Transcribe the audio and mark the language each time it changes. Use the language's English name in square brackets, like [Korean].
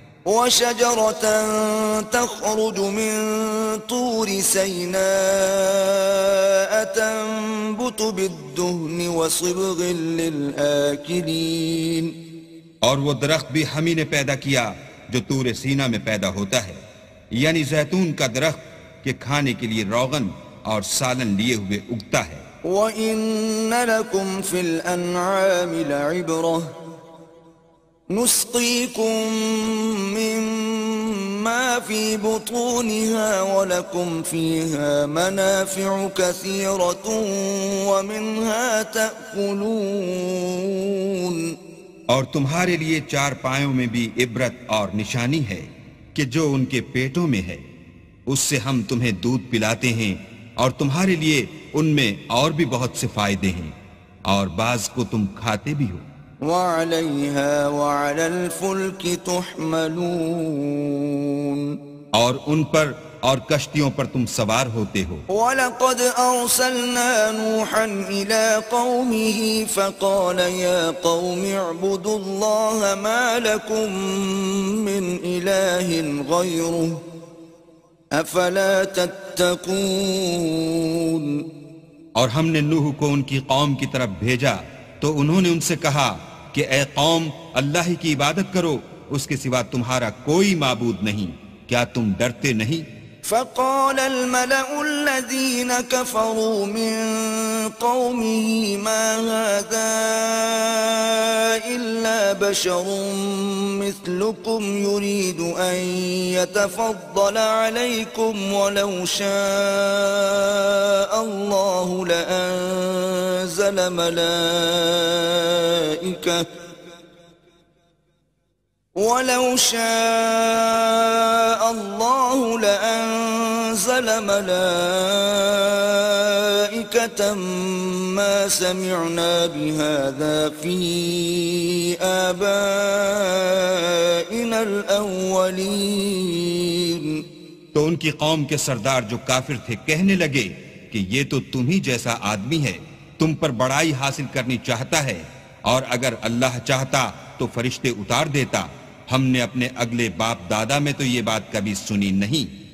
[Arabic] وَشَجَرَةً تَخْرُجُ مِن طُورِ سَيْنَاءَ تَنبُتُ بِالدُّهْنِ وَصِبْغٍ لِلْآكِلِينَ, [Urdu] اور وہ درخت بھی ہم ہی نے پیدا کیا جو طور سینا میں پیدا ہوتا ہے, یعنی زیتون کا درخت کے کھانے کے لیے روغن اور سالن لیے ہوئے اگتا ہے. [Arabic] وَإِنَّ لَكُمْ فِي الْأَنْعَامِ لَعِبْرَةً نسقيكم مما في بطونها ولكم فيها منافع كثيرة ومنها تأكلون, [Urdu] اور تمہارے لیے چار پایوں میں بھی عبرت اور نشانی ہے کہ جو ان کے پیٹوں میں ہے اس سے ہم تمہیں دودھ پلاتے ہیں, اور تمہارے لیے ان میں اور بھی بہت سے فائدے ہیں, اور بعض کو تم کھاتے بھی ہو. [Arabic] وعليها وعلى الفلك تحملون, [Urdu] اور ان پر اور کشتیوں پر تم سوار ہوتے ہو. [Arabic] ولقد ارسلنا نوحا الى قومه فقال يا قوم اعبدوا الله ما لكم من اله غيره افلا تتقون, [Urdu] اور ہم نے نوح کو ان کی قوم کی طرف بھیجا تو انہوں نے ان سے کہا کہ اے قوم اللہ ہی کی عبادت کرو, اس کے سوا تمہارا کوئی معبود نہیں, کیا تم ڈرتے نہیں؟ [Arabic] فقال الملأ الذين كفروا من قومه ما هذا الا بشر مثلكم يريد ان يتفضل عليكم ولو شاء الله لانزل ملائكه وَلَوْ شَاءَ اللَّهُ لَأَنزَلَ مَلَائِكَةً مَا سَمِعْنَا بِهَذَا فِي آبَائِنَا الْأَوَّلِينَ, [Urdu] تو ان کی قوم کے سردار جو کافر تھے کہنے لگے کہ یہ تو تم ہی جیسا آدمی ہے, تم پر بڑائی حاصل کرنی چاہتا ہے, اور اگر اللہ چاہتا تو فرشتے اتار دیتا, ہم نے اپنے اگلے باپ دادا میں تو یہ بات کبھی سنی نہیں.